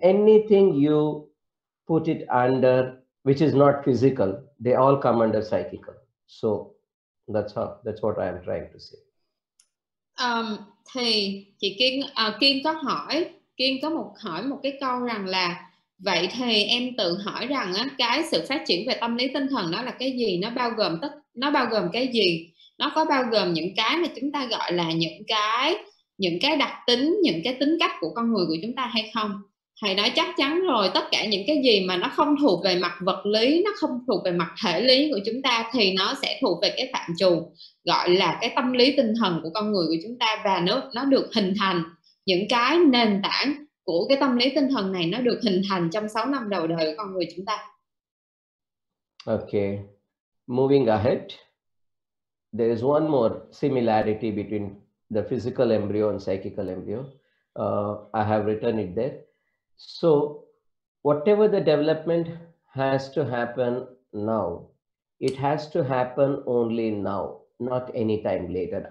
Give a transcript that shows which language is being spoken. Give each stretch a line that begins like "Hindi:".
English: Anything you put it under, which is not physical, they all come under psychical. So that's how, that's what I am trying to say.
Vietnamese: Thì chị Kiên, Kiên có hỏi, Kiên có một hỏi một cái câu rằng là vậy thì em tự hỏi rằng á, cái sự phát triển về tâm lý tinh thần đó là cái gì, nó bao gồm tất, nó bao gồm cái gì, nó có bao gồm những cái mà chúng ta gọi là những cái đặc tính, những cái tính cách của con người của chúng ta hay không. Thầy nói chắc chắn rồi, tất cả những cái gì mà nó không thuộc về mặt vật lý, nó không thuộc về mặt thể lý của chúng ta thì nó sẽ thuộc về cái phạm trù gọi là cái tâm lý tinh thần của con người của chúng ta. Và nó được hình thành, những cái nền tảng của cái tâm lý tinh thần này nó được hình thành trong 6 năm đầu đời của con người chúng ta.
English: Okay, moving ahead, there is one more similarity between the physical embryo and psychical embryo. I have written it there. So, whatever the development has to happen now, it has to happen only now, not anytime later.